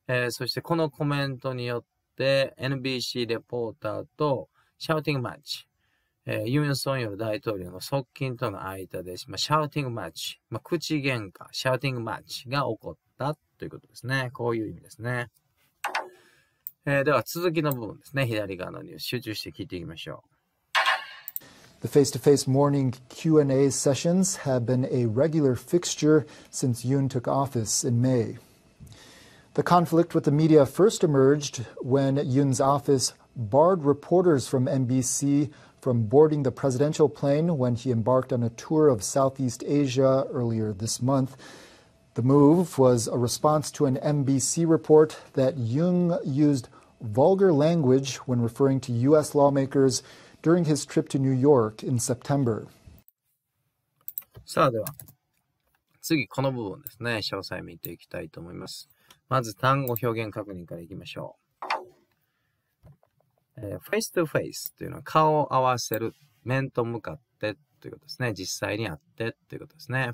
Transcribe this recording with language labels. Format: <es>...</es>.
<ja>そしてこのコメントによって NBC レポーターとシャウティングマッチ、ユン・ソンヨル大統領の側近との間で、まあ、シャウティングマッチ、まあ、口喧嘩、シャウティングマッチが起こったということですね。こういう意味ですね。では続きの部分ですね。左側のニュース、集中して聞いていきましょう。</ja> <en>The face-to-face morning Q&A sessions have been a regular fixture since Yoon took office in May. The conflict with the media first emerged when Yoon's office barred reporters from NBC from boarding the presidential plane when he embarked on a tour of Southeast Asia earlier this month. The move was a response to an NBC report that Yoon used vulgar language when referring to U.S. lawmakers during his trip to New York in September.</en> <ja>さあでは、次この部分ですね、詳細見ていきたいと思います。まず単語表現確認からいきましょう。 face to face というのは顔を合わせる、面と向かってということですね。実際に会ってということですね。</ja>